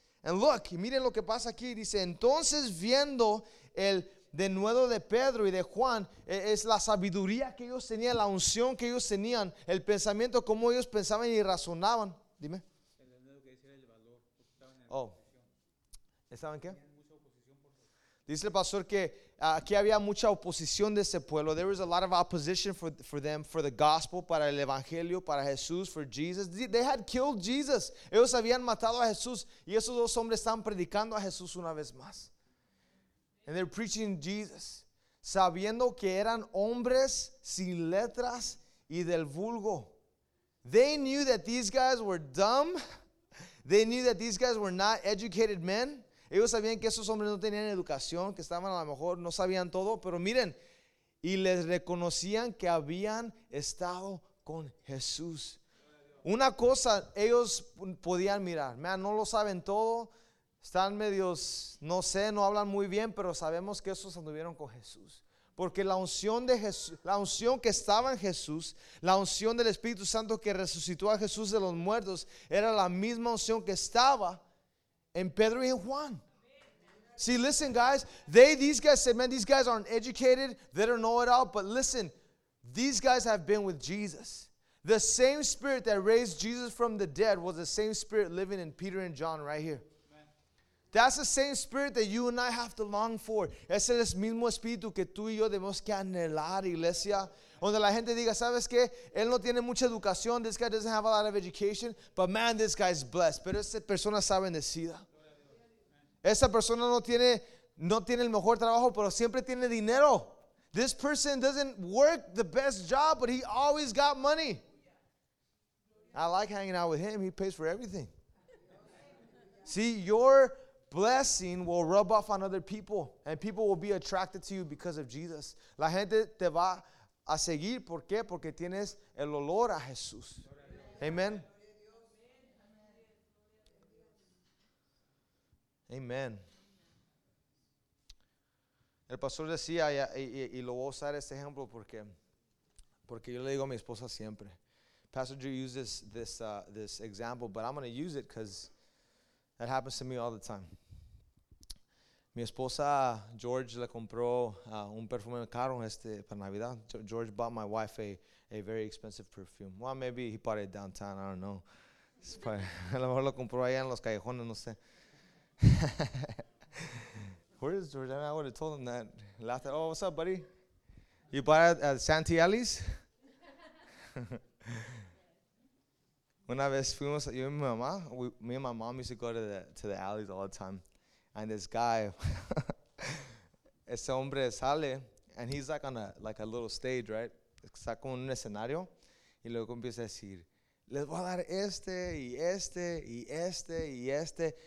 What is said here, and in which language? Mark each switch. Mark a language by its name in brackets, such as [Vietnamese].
[English] And look, [Spanish] miren lo que pasa aquí. Dice, entonces viendo el denuedo de Pedro y de Juan, es la sabiduría que ellos tenían, la unción que ellos tenían, el pensamiento, cómo ellos pensaban y razonaban. Dime. El denuedo que decía el valor. ¿Estaban qué? Dice el pastor que aquí había mucha oposición de ese pueblo. [English] There was a lot of opposition for them, for the gospel, [Spanish] para el evangelio, para Jesús, [English] for Jesus. They had killed Jesus. [Spanish] Ellos habían matado a Jesús. Y esos dos hombres estaban predicando a Jesús una vez más. [English] And they're preaching Jesus. [Spanish] Sabiendo que eran hombres sin letras y del vulgo. [English] They knew that these guys were dumb. They knew that these guys were not educated men. [Spanish] Ellos sabían que esos hombres no tenían educación, que estaban a lo mejor, no sabían todo, pero miren, y les reconocían que habían estado con Jesús. Una cosa, ellos podían mirar, man, no lo saben todo, están medios, no sé, no hablan muy bien, pero sabemos que esos anduvieron con Jesús. Porque la unción de Jesús, la unción que estaba en Jesús, la unción del Espíritu Santo que resucitó a Jesús de los muertos, era la misma unción que estaba en Pedro y en Juan. [English] See, listen, guys. These guys said, man, these guys aren't educated. They don't know it all. But listen, these guys have been with Jesus. The same spirit that raised Jesus from the dead was the same spirit living in Peter and John right here. That's the same spirit that you and I have to long for. [Spanish] Ese es el mismo espíritu que tú y yo debemos que anhelar, iglesia. Donde la gente diga, ¿sabes qué? Él no tiene mucha educación. [English] This guy doesn't have a lot of education. But man, this guy is blessed. [Spanish] Pero esa persona está bendecida. Esa persona no tiene el mejor trabajo, pero siempre tiene dinero. [English] This person doesn't work the best job, but he always got money. I like hanging out with him. He pays for everything. See, your blessing will rub off on other people, and people will be attracted to you because of Jesus. [Spanish] La gente te va a seguir. ¿Por qué? Porque tienes el olor a Jesús. Amen. Amen. El pastor decía, y lo voy a usar este ejemplo porque yo le digo a mi esposa siempre. [English] Pastor Drew used this example, but I'm going to use it because that happens to me all the time. [Spanish] Mi esposa, George, le compró un perfume caro para Navidad. [English] George bought my wife a very expensive perfume. Well, maybe he bought it downtown, I don't know. [Spanish] A lo mejor lo compró allá en los callejones, no sé. [English] Where is George? I would have told him that. Laughed at, oh, what's up, buddy? You bought it at Santi Ali's? [Spanish] Una vez fuimos, yo y mi mamá, [English] me and my mom used to go to the alleys all the time. And this guy, [Spanish] ese hombre sale, [English] and he's like on a little stage, right? [Spanish] Está como en un escenario, y luego empieza a decir, les voy a dar este, y este, y este, y este.